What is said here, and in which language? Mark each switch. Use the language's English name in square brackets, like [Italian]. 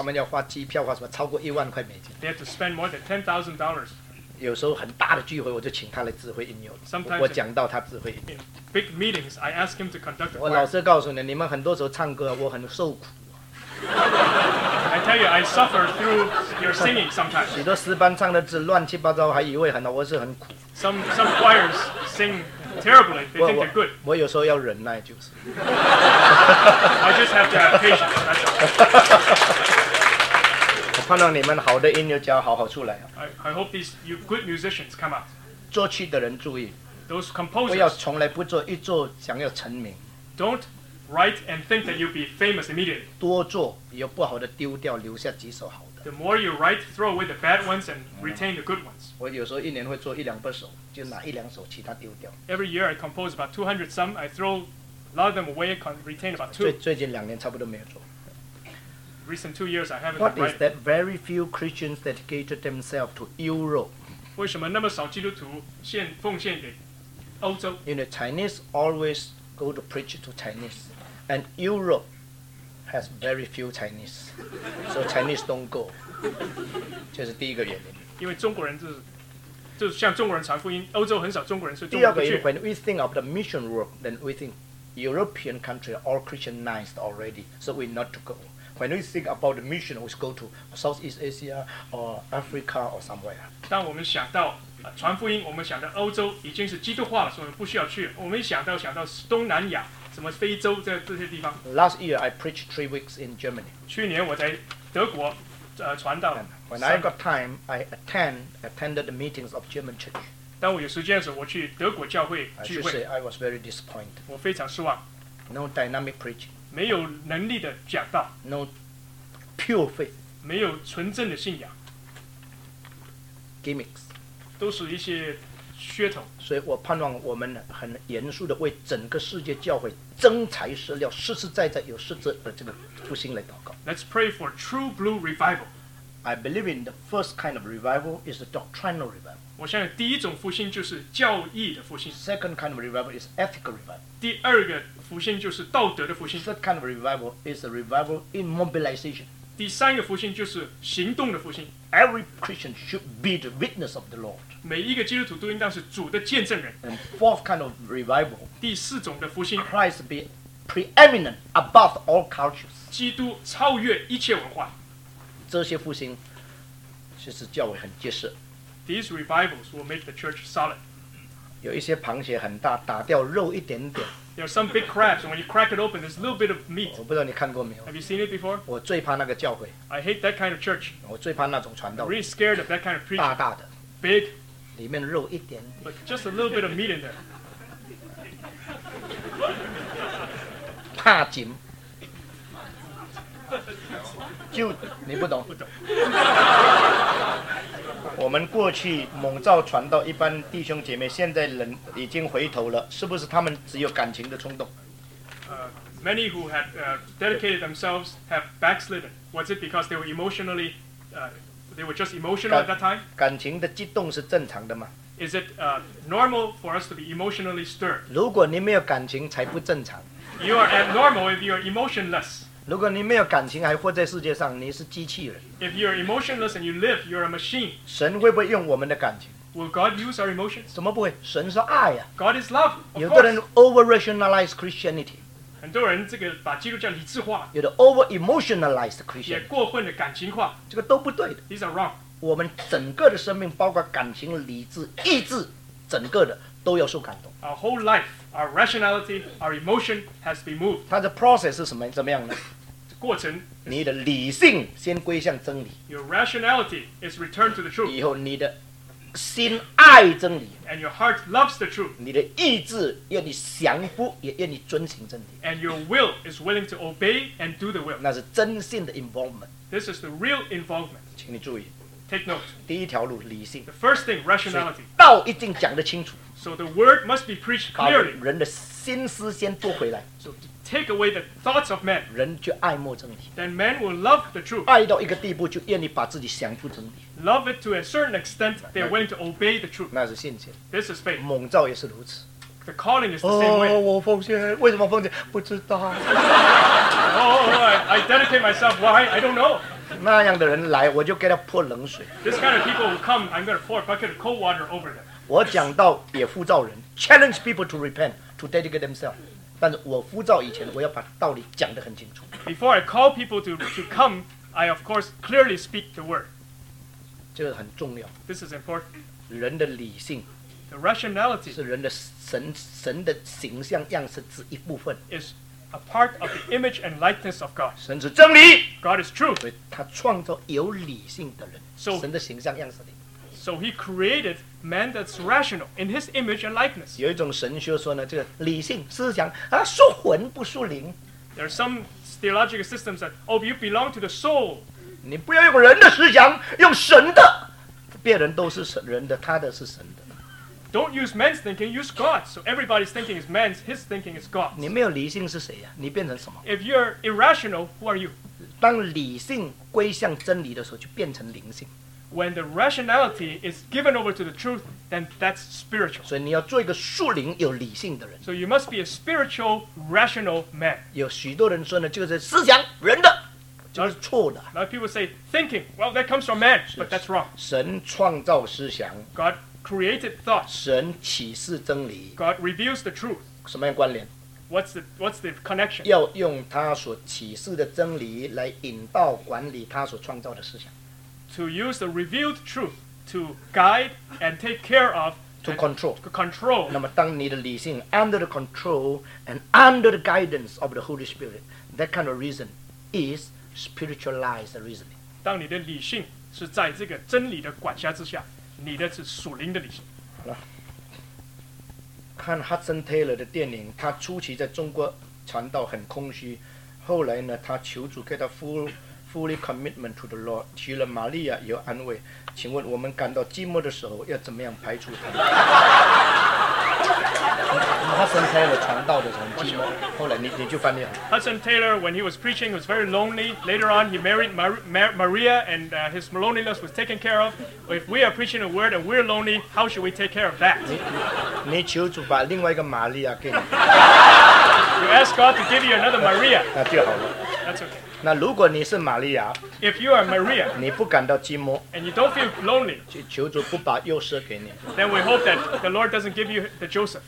[Chinese] 他们要花机票花什么超过10,000块美金。 [English] They had to spend more than $10,000. [Chinese] 有时候很大的聚会，我就请他来指挥音乐。我讲到他指挥音乐。 [English] In big meetings, I ask him to conduct the choir. [Chinese] 我老实告诉你，你们很多时候唱歌，我很受苦。 [English] I tell you, I suffer through your singing sometimes. [Chinese] 许多诗班唱的字乱七八糟，还以为很好，我是很苦。 [English] Some choirs sing terribly. They think they're good. [Chinese] 我有时候要忍耐，就是。 [English] I just have to have patience. That's all. [Chinese] 我盼望你们好的音乐家好好出来。 [English] I hope these good musicians come out. [Chinese] 作曲的人注意。 [English] Those composers. [Chinese] 不要从来不做，一做想要成名。 [English] Don't. Write and think that you'll be famous immediately. [Chinese] 多做，有不好的丢掉，留下几首好的。 [English] The more you write, throw away the bad ones and retain the good ones. [Chinese] 我有时候一年会做一两百首，就拿一两首其他丢掉。 [English] Every year I compose about 200 some. I throw a lot of them away and retain about 2. [Chinese] 最近两年差不多没有做。 [English] Recent 2 years I haven't What is that very few Christians dedicated themselves to Europe? [Chinese] 为什么那么少基督徒献奉献给欧洲？ [English] You know, Chinese always go to preach to Chinese. And Europe has very few Chinese, so Chinese don't go. [Chinese] 这是第一个原因。因为中国人就是像中国人传福音，欧洲很少中国人，所以中国不去。第二个原因 [English] ，when we think of the mission work, then we think European country all Christianized already, so we not to go. When we think about the mission, we go to Southeast Asia or Africa or somewhere. [Chinese] 当我们想到传福音，我们想到欧洲已经是基督化了，所以我们不需要去。我们想到东南亚。什么非洲这些地方 [English] ？Last year I preached 3 weeks in Germany. [Chinese] 去年我在德国，传道。 [English] And、when I got time, I attended the meetings of German church. [Chinese] 当我有时间的时候，我去德国教会聚会。 [English] I should say I was very disappointed. [Chinese] 我非常失望。 [English] No dynamic preaching. [Chinese] 没有能力的讲道。 [English] No pure faith. [Chinese] 没有纯正的信仰。 [English] Gimmicks. [Chinese] 都是一些。噱头，所以我盼望我们很严肃地为整个世界教会真材实料、实实在在有实质的这个复兴来祷告。 [English] Let's pray for true blue revival. I believe in the first kind of revival is the doctrinal revival. [Chinese] 我相信第一种复兴就是教义的复兴。 [English] Second kind of revival is ethical revival. [Chinese] 第二个复兴就是道德的复兴。 [English] Third kind of revival is a revival in mobilization. [Chinese] 第三个复兴就是行动的复兴。 [English] Every Christian should be the witness of the Lord. [Chinese] 每一个基督徒都应当是主的见证人。 [English] And fourth kind of revival. [Chinese] 第四种的复兴。 [English] Christ be preeminent above all cultures. [Chinese] 基督超越一切文化。这些复兴，其实教会很结实。 [English] These revivals will make the church solid. [Chinese] 有一些螃蟹很大，打掉肉一点点。 [English] There are some big crabs, and when you crack it open, there's a little bit of meat. [Chinese] 我不知道你看过没有。 [English] Have you seen it before? [Chinese] 我最怕那个教会。 [English] I hate that kind of church. [Chinese] 我最怕那种传道。 [English] I'm really scared of that kind of preaching. [Chinese] 大大的。 [English] Big. [Chinese] 里面肉一点点。 [English] But just a little bit of meat in there. [Chinese] 怕紧。就你不懂。不懂。我们过去蒙召传道，一般弟兄姐妹现在人已经回头了，是不是他们只有感情的冲动？ [English] Many who had dedicated themselves have backslidden. Was it because they were emotionally, they were just emotional at that time? [Chinese] 感情的激动是正常的吗 [English] ？Is it normal for us to be emotionally stirred? [Chinese] 如果你没有感情，才不正常。 [English] You are abnormal if you are emotionless. [Chinese] 如果你没有感情还活在世界上，你是机器人。 [English] If you're emotionless and you live, you're a machine. [Chinese] 神会不会用我们的感情 [English] Will God use our emotions? [Chinese] 怎么不会？神是爱啊。 [English] God is love. [Chinese] 有的人 [English] over rationalize Christianity. [Chinese] 很多人这个把基督教理智化。有的 [English] over emotionalize Christianity. [Chinese] 也过分的感情化。这个都不对的。 [English] These are wrong. [Chinese] 我们整个的生命，包括感情、理智、意志，整个的都要受感动。 [English] Our whole life, our rationality, our emotion has been moved. [Chinese] 它的 process 是什么？怎么样呢？过程，你的理性先归向真理。 [English] Your rationality is returned to the truth. [Chinese] 以后你的心爱真理。 [English] And your heart loves the truth. [Chinese] 你的意志愿你降服，也愿你遵行真理。 [English] And your will is willing to obey and do the will. [Chinese] 那是真信的 involvement. [English] This is the real involvement. [Chinese] 请你注意。 [English] Take note. [Chinese] 第一条路理性。 [English] The first thing, rationality. [Chinese] 道一定讲得清楚。 [English] So the word must be preached clearly. [Chinese] 把人的心思先做回来。 [English] So to take away the thoughts of men. [Chinese] 人就爱慕真理。 [English] Then men will love the truth. [Chinese] 爱到一个地步就愿意把自己降服真理。 [English] Love it to a certain extent, they are willing to obey the truth. [Chinese] 那是信心。 [English] This is faith. [Chinese] 蒙召也是如此。 [English] The calling is the same way. [Chinese] 我奉献，为什么奉献？不知道。 [English] I dedicate myself. Why? I don't know. [Chinese] 那样的人来，我就给他泼冷水。 [English] This kind of people will come, I'm going to pour a bucket of cold water over them. [Chinese] 我讲到也呼召人 [English] ，challenge people to repent, to dedicate themselves. [Chinese] 但是我呼召以前，我要把道理讲得很清楚。 [English] Before I call people to come, I of course clearly speak the word. [Chinese] 这个很重要。 [English] This is important. [Chinese] 人的理性 [English] ，the rationality [Chinese] 是人的神的形象样式之一部分。 [English] Is a part of the image and likeness of God. [Chinese] 神是真理。 [English] God is truth. [Chinese] 所以他创造有理性的人。 So, 神的形象样式里。 [English] So he created man that's rational in his image and likeness. [Chinese] 有一种神学说呢，这个理性思想啊，属魂不属灵。 [English] There are some theological systems that, oh, you belong to the soul. [Chinese] 你不要用人的思想，用神的。别人都是神人的，他的是神的。 [English] Don't use man's thinking, use God's. So everybody's thinking is man's, his thinking is God's. [Chinese] 你没有理性是谁啊？你变成什么？ [English] If you're irrational, who are you? [Chinese] 当理性归向真理的时候，就变成灵性。 [English] When the rationality is given over to the truth, then that's spiritual. [Chinese] 所以你要做一个属灵有理性的人。 [English] So you must be a spiritual, rational man. [Chinese] 有许多人说呢，就是思想人的，就是错的。 [English] A lot of people say thinking, well, that comes from man, but that's wrong. [Chinese] 神创造思想。 [English] God created thought. [Chinese] 神启示真理。 [English] God reveals the truth. [Chinese] 什么样关联？ [English] What's the connection? [Chinese] 要用他所启示的真理来引导管理他所创造的思想。 [English] To use the revealed truth to guide and take care of. To control. To control. [Chinese] 那么当你的理性 [English] under the control and under the guidance of the Holy Spirit, that kind of reason is spiritualized reasoning. [Chinese] 当你的理性是在这个真理的管辖之下。你的是属灵的理性。看 Hudson Taylor 的电影，他初期在中国传道很空虚，后来呢，他求主给他 [English] fully commitment to the Lord， [Chinese] 娶了玛利亚有安慰。请问我们感到寂寞的时候要怎么样排除他Hudson Taylor 传道的时候寂寞，后来你就翻译了。 [English] Hudson Taylor when he was preaching was very lonely. Later on, he married Maria, and his loneliness was taken care of. If we are preaching a word and we're lonely, how should we take care of that? [Chinese] 你求主把另外一个玛利亚给你。 [English] You ask God to give you another Maria. [Chinese] 那就好了。 [English] That's okay. [Chinese] 那如果你是玛利亚 [English] ，If you are Maria， [Chinese] 你不感到寂寞 [English] ，And you don't feel lonely， [Chinese] 求主不把约瑟给你 [English] ，Then we hope that the Lord doesn't give you the Joseph。